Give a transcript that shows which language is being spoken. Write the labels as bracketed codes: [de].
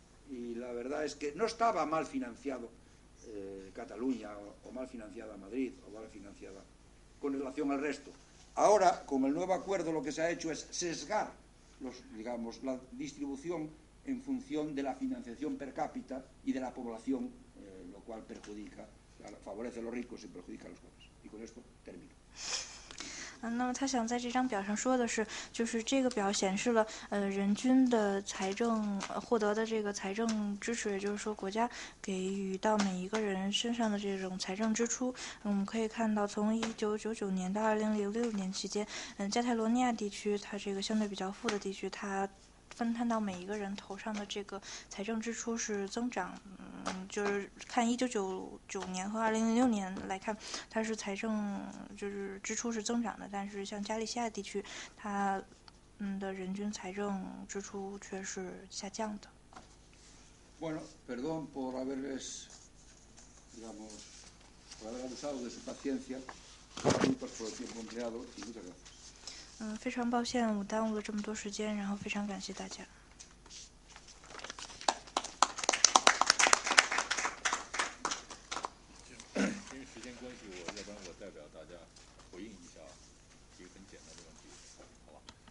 [es] y la verdad es que no estaba mal financiado Cataluña o mal financiada Madrid o mal financiada con relación al resto. Ahora, con el nuevo acuerdo, lo que se ha hecho es sesgar la distribución en función de la financiación per cápita y de la población, lo cual perjudica, favorece a los ricos y perjudica a los pobres. Y con esto termino. [zh] 那么他想在这张表上说的是，就是这个表显示了，人均的财政获得的这个财政支持，也就是说国家给予到每一个人身上的这种财政支出。我们可以看到，从1999年到2006年期间，加泰罗尼亚地区，它这个相对比较富的地区，它分摊到每一个人头上的这个财政支出是增长，就是看1999年和2006年来看，它是财政就是支出是增长的，但是像加利西亚地区，它的人均财政支出却是下降的。 [es] Bueno, perdón por haberles, digamos, por haber abusado de su paciencia, disculpas por el tiempo empleado y muchas gracias. [zh] 非常抱歉我耽误了这么多时间，然后非常感谢大家。因为时间关系，我要不然我代表大家回应一下一个很简单的问题，好吧。